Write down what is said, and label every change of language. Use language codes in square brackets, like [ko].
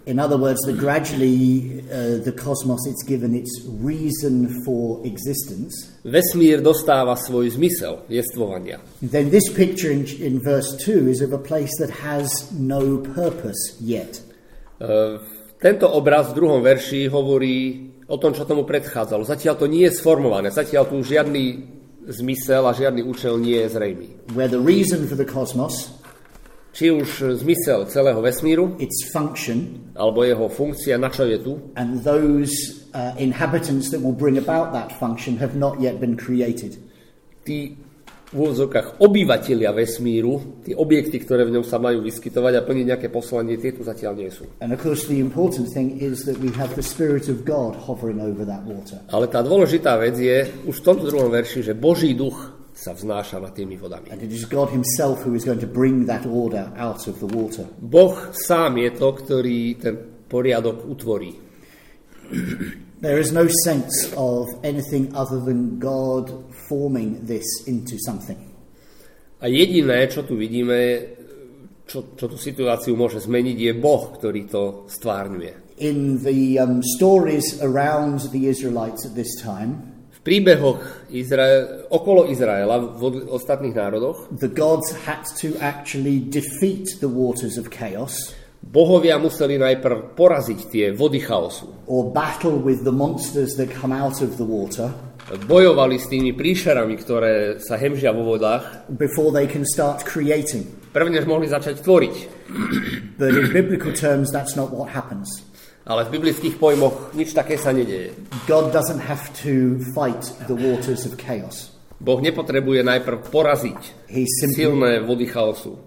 [en] In other words, that gradually the cosmos is given its reason for existence. [sk] Vesmír dostáva svoj zmysel jestvovania. [en] Then this picture in verse 2 is of a place that has no purpose yet. [sk] Tento obraz v druhom verši hovorí o tom, čo tomu predchádzalo. Zatiaľ to nie je sformované, zatiaľ tu žiadny zmysel a žiadny účel nie je zrejmý. [en] Where the reason for the cosmos, [sk] či už zmysel celého vesmíru, [en] its function, [sk] alebo jeho funkcia, na čo je tu, [en] and those inhabitants that will bring about that function have not yet been created. [sk] Tí v úvodzovkách obyvatelia vesmíru, tí objekty, ktoré v ňom sa majú vyskytovať a plniť nejaké poslanie, tie tu zatiaľ nie sú. [en] And of course the important thing is that we have the Spirit of God hovering over that water. [sk] Ale tá dôležitá vec je už v tomto druhom verši, že Boží duch sa vznáša nad tými vodami. [en] And it is God himself who is going to bring that order out of the water. [sk] Boh sám je to, ktorý ten poriadok utvorí. [en] There is no sense of anything other than God forming this into something. [sk] A jediné, čo tu vidíme, čo tú situáciu môže zmeniť, je Boh, ktorý to stvárňuje. [en] In the stories around the Israelites at this time, [sk] v príbehoch okolo Izraela v ostatných národoch, [en] the gods had to actually defeat the waters of chaos. [sk] Bohovia museli najprv poraziť tie vody chaosu. [en] Or battle with the monsters that come out of the water. [sk] Bojovali s tými príšerami, ktoré sa hemžia vo vodách. [en] Before they can start creating. [sk] Prv než mohli začať tvoriť. [en] But in biblical terms, that's not what happens. [sk] Ale v biblických pojmoch nič také sa nedieje. [en] God doesn't have to fight the waters of chaos. [sk] Boh nepotrebuje najprv poraziť silné vody chaosu.